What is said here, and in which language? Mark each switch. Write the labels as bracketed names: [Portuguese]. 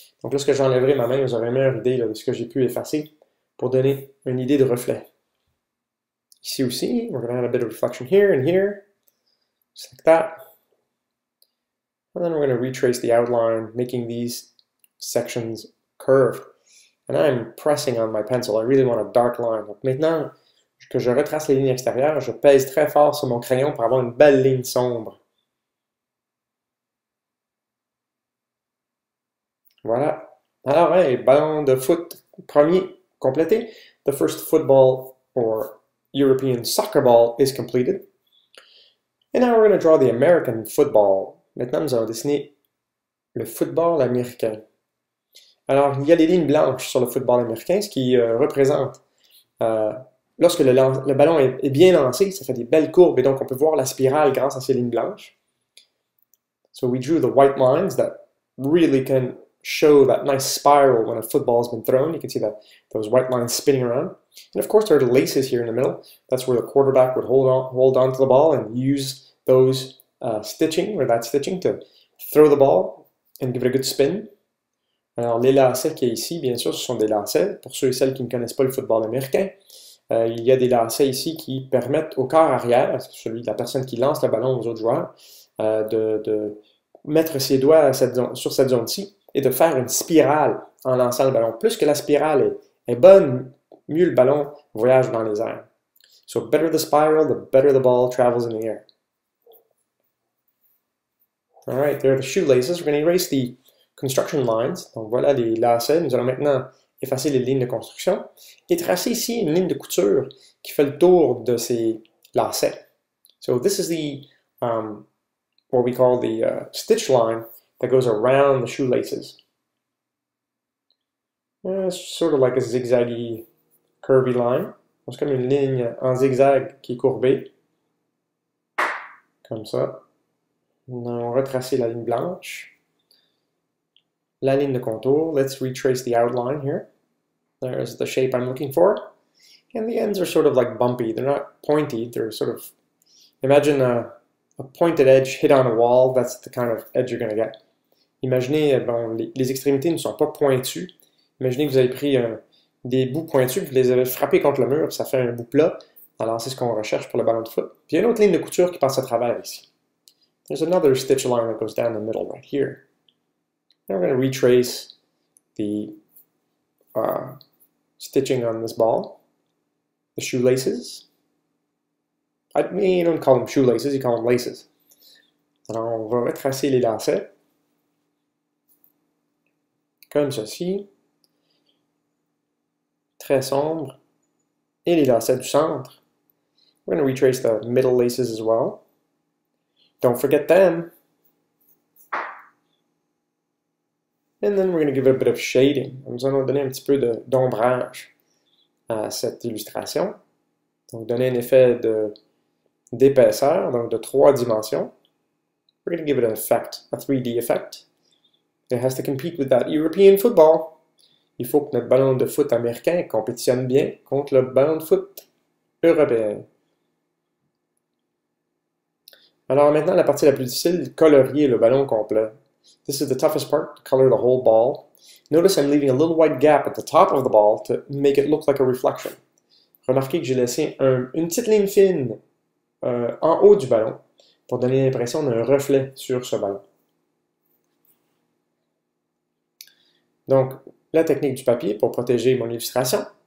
[French] Donc lorsque j'enlèverai ma main, vous aurez une meilleure idée là, de ce que j'ai pu effacer pour donner une idée de reflet. Ici aussi, [English] we're going to add a bit of reflection here and here. Just like that. And then we're going to retrace the outline, making these sections curved. And I'm pressing on my pencil. I really want a dark line. [French] Donc maintenant que je retrace les lignes extérieures, je pèse très fort sur mon crayon pour avoir une belle ligne sombre. Voilà. Alors, hey, ballon de foot premier complété. [English] The first football or European soccer ball is completed. And now we're going to draw the American football. [French] Maintenant, nous allons dessiner le football américain. Alors, il y a des lignes blanches sur le football américain, ce qui représente, lorsque le ballon est bien lancé, ça fait des belles courbes, et donc on peut voir la spirale grâce à ces lignes blanches. [English] So we drew the white lines that really can show that nice spiral when a football has been thrown. You can see that those white lines spinning around. And of course, there are the laces here in the middle. That's where the quarterback would hold on to the ball and use those stitching to throw the ball and give it a good spin. [French] Alors, les lacets qui est ici, bien sûr, ce sont des lacets. Pour ceux et celles qui ne connaissent pas le football américain, il y a des lacets ici qui permettent au corps arrière, celui de la personne qui lance le ballon aux autres joueurs, de mettre ses doigts sur cette zone-ci et de faire une spirale en lançant le ballon. Plus que la spirale est bonne, mieux le ballon voyage dans les airs. [English] So, better the spiral, the better the ball travels in the air. All right, there are the shoelaces. We're going to erase the construction lines. [French] Donc voilà les lacets. Nous allons maintenant effacer les lignes de construction et tracer ici une ligne de couture qui fait le tour de ces lacets. [English] So this is the what we call the stitch line that goes around the shoelaces. It's sort of like a zigzaggy, curvy line. [French] Donc, c'est comme une ligne en zigzag qui est courbée, comme ça. Nous allons retracer la ligne blanche. La ligne de contour. [English] Let's retrace the outline here. There's the shape I'm looking for. And the ends are sort of like bumpy. They're not pointy. They're sort of... Imagine a pointed edge hit on a wall. That's the kind of edge you're going to get. [French] Imaginez, bon, les extrémités ne sont pas pointues. Imaginez que vous avez pris des bouts pointus, vous les avez frappés contre le mur, ça fait un bout plat. Alors, c'est ce qu'on recherche pour le ballon de foot. Puis, il y a une autre ligne de couture qui passe à travers ici. [English] There's another stitch line that goes down the middle right here. Now we're going to retrace the stitching on this ball, the shoelaces. I mean, you don't call them shoelaces, you call them laces. [French] Alors on va retracer les lacets, comme ceci, très sombre, et les lacets du centre. [English] We're going to retrace the middle laces as well. Don't forget them. And then we're going to give it a bit of shading. [French] Nous allons donner un petit peu d'ombrage à cette illustration. Donc donner un effet d'épaisseur, donc de trois dimensions. [English] We're going to give it an effect, a 3D effect. It has to compete with that European football. [French] Il faut que notre ballon de foot américain compétitionne bien contre le ballon de foot européen. Alors maintenant, la partie la plus difficile, colorier le ballon complet. [English] This is the toughest part, to color the whole ball. Notice I'm leaving a little white gap at the top of the ball to make it look like a reflection. [French] Remarquez que j'ai laissé une petite ligne fine en haut du ballon pour donner l'impression d'un reflet sur ce ballon. Donc, la technique du papier pour protéger mon illustration.